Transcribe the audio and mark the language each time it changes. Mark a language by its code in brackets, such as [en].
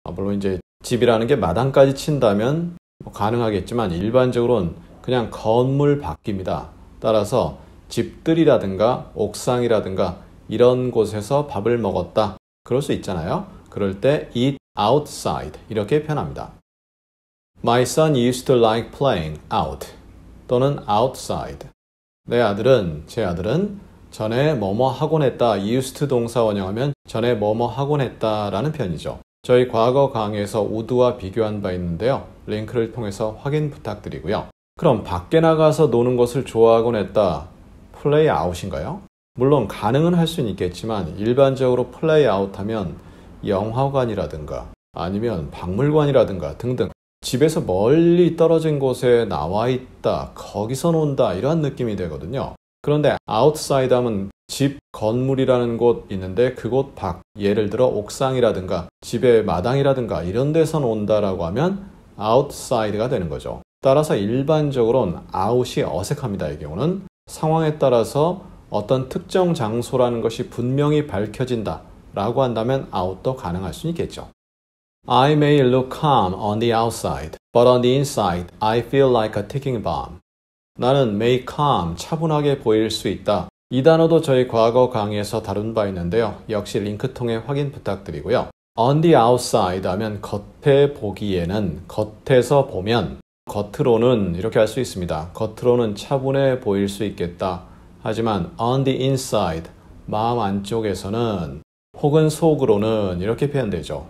[ko] 물론 이제 집이라는 게 마당까지 친다면 뭐 가능하겠지만 일반적으로는 그냥 건물 밖입니다. 따라서 집들이라든가 옥상이라든가 이런 곳에서 밥을 먹었다. 그럴 수 있잖아요. 그럴 때 [en] eat outside [ko] 이렇게 표현합니다. [en] My son used to like playing out [ko] 또는 [en] outside. [ko] 제 아들은 전에 뭐뭐 하곤 했다. used 동사 원형하면 전에 뭐뭐 하곤 했다 라는 표현이죠. 저희 과거 강의에서 would와 비교한 바 있는데요. 링크를 통해서 확인 부탁드리고요. 그럼 밖에 나가서 노는 것을 좋아하곤 했다. [en] play out [ko] 인가요? 물론 가능은 할 수는 있겠지만 일반적으로 [en] play out [ko] 하면 영화관이라든가 아니면 박물관이라든가 등등 집에서 멀리 떨어진 곳에 나와 있다, 거기서 논다 이러한 느낌이 되거든요. 그런데 outside 하면 집 건물이라는 곳 있는데 그곳 밖, 예를 들어 옥상이라든가 집의 마당이라든가 이런 데서 논다라고 하면 outside가 되는 거죠. 따라서 일반적으로는 out이 어색합니다. 이 경우는 상황에 따라서 어떤 특정 장소라는 것이 분명히 밝혀진다 라고 한다면 out도 가능할 수 있겠죠. [en] I may look calm on the outside, but on the inside, I feel like a ticking bomb. [ko] 나는 [en] may calm, [ko] 차분하게 보일 수 있다. 이 단어도 저희 과거 강의에서 다룬 바 있는데요. 역시 링크 통해 확인 부탁드리고요. [en] On the outside [ko] 하면 겉에 보기에는, 겉에서 보면, 겉으로는 이렇게 할 수 있습니다. 겉으로는 차분해 보일 수 있겠다. 하지만 [en] on the inside, [ko] 마음 안쪽에서는 혹은 속으로는 이렇게 표현되죠.